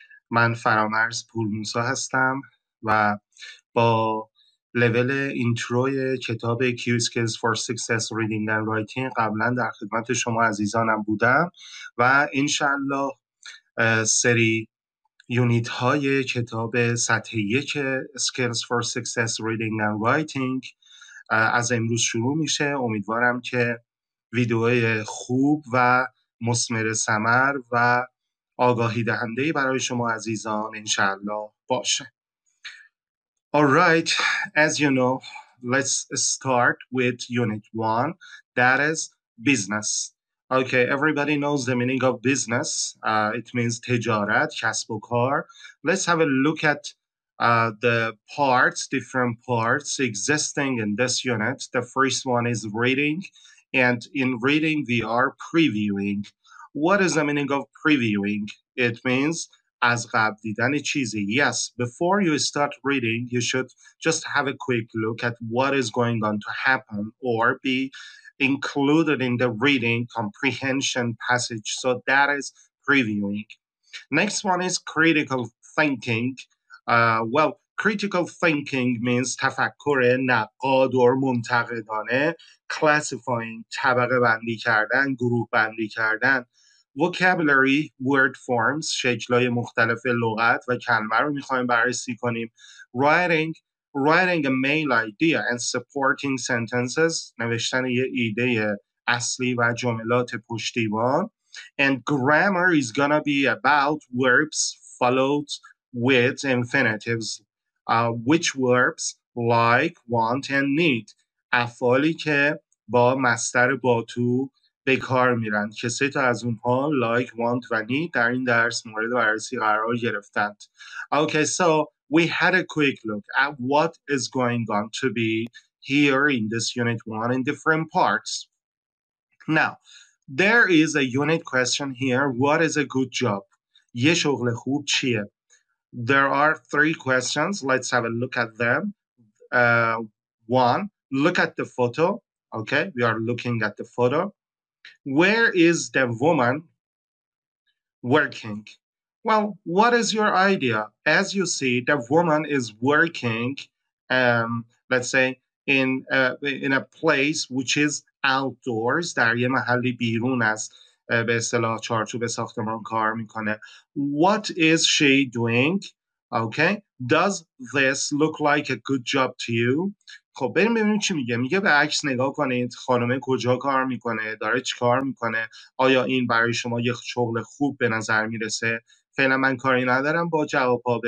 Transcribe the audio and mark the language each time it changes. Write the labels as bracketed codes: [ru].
[fa] من فرامرز پورموسا هستم و با لول اینترو کتاب Key Skills for Success Reading and Writing قبلا در خدمت شما عزیزانم بودم و انشالله سری یونیت های کتاب سطح 1 Skills for Success Reading and Writing از امروز شروع میشه. امیدوارم که ویدئوی خوب و مثمر ثمر و آگاهی دهنده برای شما عزیزان انشاءالله باشه. [en] All right, as you know, let's start with unit 1, that is business. Okay, everybody knows the meaning of business. It means [fa] تجارت, کسب و کار. [en] Let's have a look at the parts, different parts existing in this unit. The first one is reading. And in reading, we are previewing. What is the meaning of previewing? It means [fa] از قبل دیدن چیزی. [en] Yes, before you start reading, you should just have a quick look at what is going on to happen or be included in the reading comprehension passage. So that is previewing. Next one is critical thinking. Critical thinking means [fa] تفکر نقاد و منتقدانه, [en] classifying, [fa] طبقه بندی کردن, گروه بندی کردن. [en] Vocabulary, word forms, [fa] شکلای مختلف لغت و کلمه رو میخوایم بررسی کنیم. [en] Writing a main idea and supporting sentences, [fa] نوشتن یه ایده اصلی و جملات پشتیبان. [en] And grammar is gonna be about verbs followed with infinitives. Which verbs like, want, and need. [fa] افعالی که با مصدر با تو به کار میرند که سه تا از اونها like, want, و need در این درس مورد بررسی قرار گرفتند. [en] Okay, so we had a quick look at what is going on to be here in this unit 1 in different parts. Now, there is a unit question here. What is a good job? [fa] یه شغل خوب چیه؟ [en] There are three questions. Let's have a look at them. One, look at the photo. Okay, we are looking at the photo. Where is the woman working? Well, what is your idea? As you see, the woman is working, let's say, in a place which is outdoors. [fa] در یه محلی بیرون است. به اصطلاح چارچوب ساختمان کار میکنه. [en] What is she doing? Okay. Does this look like a good job to you? [fa] خب بریم ببینیم چی میگه. میگه به عکس نگاه کنید. خانم کجا کار میکنه؟ داره چی کار میکنه؟ آیا این برای شما یه شغل خوب به نظر میرسه؟ فعلا من کاری ندارم با جواب ها.